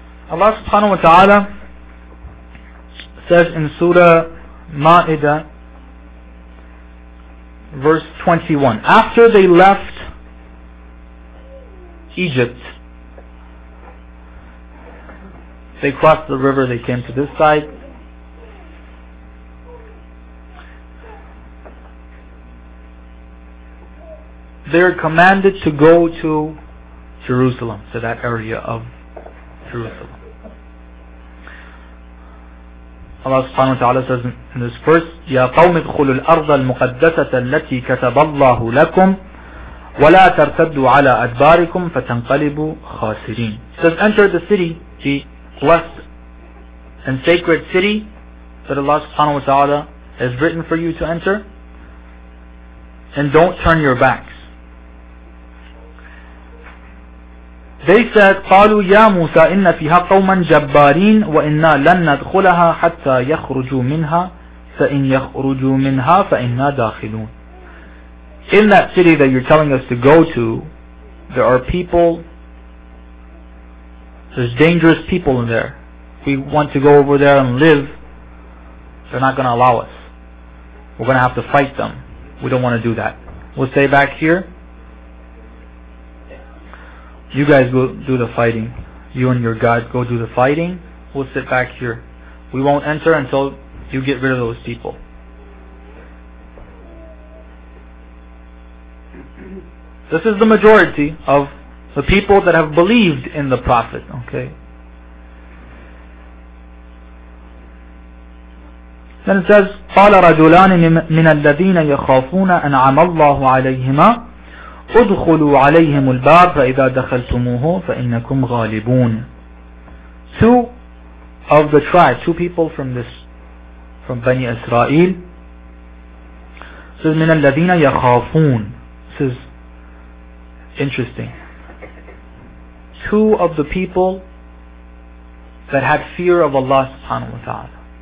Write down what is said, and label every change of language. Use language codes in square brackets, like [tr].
[en] Allah subhanahu wa ta'ala says in Surah Ma'idah, verse 21, after they left Egypt, they crossed the river, they came to this side. They're commanded to go to Jerusalem, to that area of Jerusalem. Allah subhanahu wa ta'ala says in this verse, [ar] يَا قَوْمِ ادْخُلُوا الْأَرْضَ الْمُقَدَّسَةَ الَّتِي كَتَبَ اللَّهُ لَكُمْ وَلَا تَرْتَدُّوا عَلَىٰ أَدْبَارِكُمْ فَتَنْقَلِبُوا خَاسِرِينَ. [en] It says, enter the city, the blessed and sacred city that Allah subhanahu wa ta'ala has written for you to enter, and don't turn your backs. They said, [ar] قالوا يا موسى إن فيها قوما جبارين وإنا لن ندخلها حتى يخرجوا منها فإن يخرجوا منها فإنا داخلون. [en] In that city that you're telling us to go to, there are people, there's dangerous people in there. If we want to go over there and live, they're not going to allow us. We're going to have to fight them. We don't want to do that. We'll stay back here. You guys go do the fighting. You and your God go do the fighting. We'll sit back here. We won't enter until you get rid of those people. This is the majority of the people that have believed in the Prophet, okay? Then it says, [ar] قَالَ رَجُلَانِ مِنَ الَّذِينَ يَخَافُونَ أَنْعَمَ اللَّهُ عَلَيْهِمَا ادخلوا عليهم الباب فإذا دخلتموه فإنكم غالبون. [en] Two of the tribe, two people from this, from Bani Israel, says, [ar] من الذين يخافون. [en] This is interesting. Two of the people that had fear of Allah subhanahu wa ta'ala.